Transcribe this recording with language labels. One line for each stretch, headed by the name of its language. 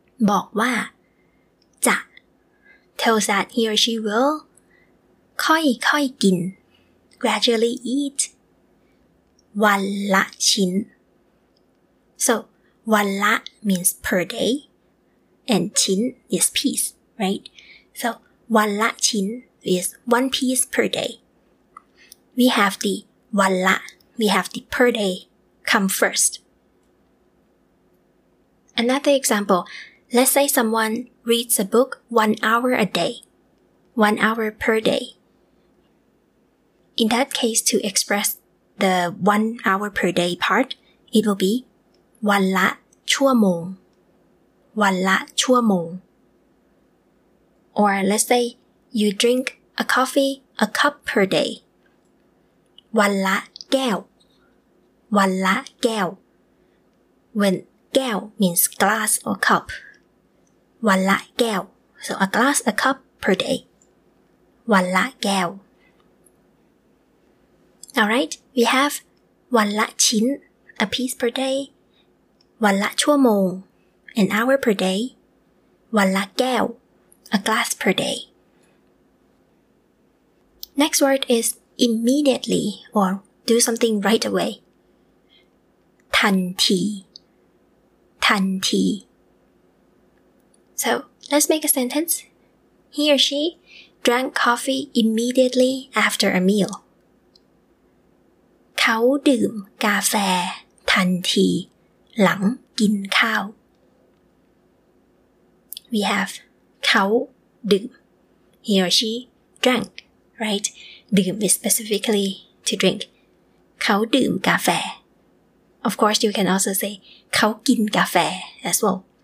Thai: บอกว่าจะ
English: tells that he or she will
Thai: ค่อยค่อยกิน
English: gradually eat
Thai: วันละชิ้น
English: so
Thai: วันละ
English: means per day and
Thai: ชิ้น
English: is piece Right? So,
Thai: วันละชิ้น
English: is one piece per day. We have the
Thai: วันละ
English: we have the per day come first. Another example, let's say someone reads a book 1 hour a day, 1 hour per day. In that case, to express the 1 hour per day part, it will be
Thai: วันละชั่วโมง วันละชั่วโมง
English: Or let's say you drink a coffee, a cup per day.
Thai: วันละแก้ว วันละแก้ว
English: When
Thai: แก้ว
English: means glass or cup.
Thai: วันละแก้ว
English: So a glass, a cup per day.
Thai: วันละแก้ว
English: Alright, we have
Thai: วันละชิ้น
English: a piece per day.
Thai: วันละชั่วโมง
English: an hour per day.
Thai: วันละแก้ว
English: A glass per day. Next word is immediately or do something right away.
Thai: ทันทีทันที
English: So, let's make a sentence. He or she drank coffee immediately after a meal.
Thai: เขาดื่มกาแฟทันทีหลังกินข้าว
English: We have
Thai: เขาดื่ม
English: he or she drank right
Thai: ดื่ม
English: is specifically to drink
Thai: เขาดื่มกาแฟ
English: of course you can also say
Thai: เขากินกาแฟ
English: as well